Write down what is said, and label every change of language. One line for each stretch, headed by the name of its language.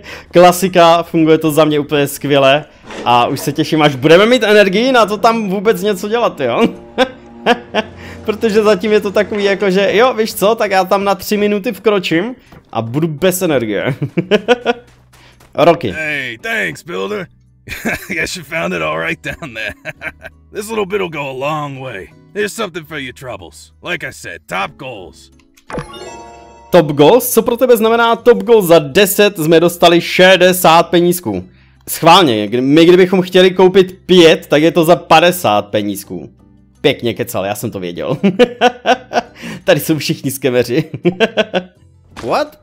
Czech: Klasika, funguje to za mě úplně skvěle a už se těším, až budeme mít energii na to tam vůbec něco dělat, jo. Protože zatím je to takový jako, že jo, víš co, tak já tam na 3 minuty vkročím a budu bez energie. Roky.
English: Hey, thanks, builder. Guess you found it all right down there. This little bit will go a long way. There's something for your troubles. Like I said, top goals. Top goals?
Czech: Co pro tebe znamená top goal? Za 10 jsme dostali 60 penízků. Schválně, my kdybychom chtěli koupit 5, tak je to za 50 penízků. Pěkně kecal, já jsem to věděl. Tady jsou všichni skemeři.
English: What?